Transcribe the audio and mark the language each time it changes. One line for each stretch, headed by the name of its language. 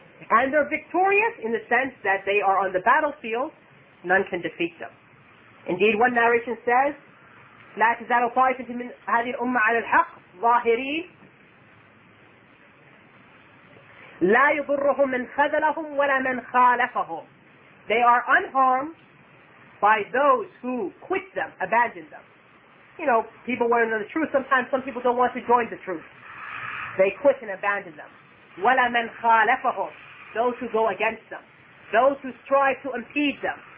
English: And they're victorious in the sense that they are on the battlefield, none can defeat them.
Arabic: Indeed, one narration says, لَا تَزَالُ طَائِفَةٌ مِنْ هَذِي الْأُمَّةِ عَلَى الْحَقِّ ظَاهِرِينَ لا يضرهم من خذلهم ولا من خالفهم.
English: They are unharmed by those who quit them, abandon them. You know, people want to know the truth. Sometimes some people don't want to join the truth. They quit and abandon them.
Arabic: ولا من خالفهم.
English: Those who go against them. Those who strive to impede them.